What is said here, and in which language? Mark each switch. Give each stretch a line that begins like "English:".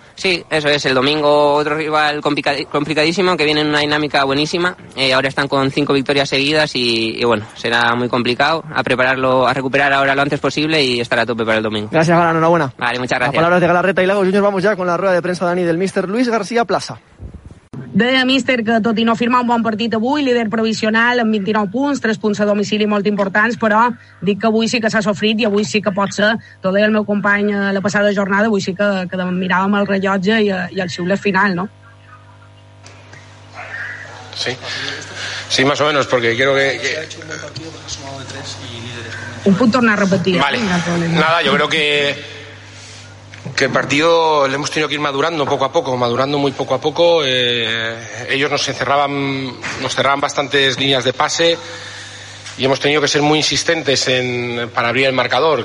Spanish: Sí, eso es, el domingo otro rival complicadísimo, que viene en una dinámica buenísima, ahora están con 5 victorias seguidas y bueno, será muy complicado a prepararlo, a recuperar ahora lo antes posible y estar a tope para el domingo. Gracias, Galán, enhorabuena. Vale, muchas gracias. A palabras de Galarreta y Lago Junior, vamos ya con la rueda de prensa, Dani, del míster Luis García Plaza.
Catalan: Deia míster que tot i no firmar un bon partit avui, líder provisional amb 29 punts, 3 punts a domicili molt importants, però dic que avui sí que s'ha sofrit i avui sí que pot ser, tot deia el meu company la passada jornada, avui sí que miràvem el rellotge i el xiulet final, no?
Spanish: Sí, sí, más o menos, porque quiero que...
Catalan: Un punt tornar a repetir.
Spanish: Vale, nada, yo creo que el partido le hemos tenido que ir madurando poco a poco, ellos nos cerraban bastantes líneas de pase y hemos tenido que ser muy insistentes para abrir el marcador.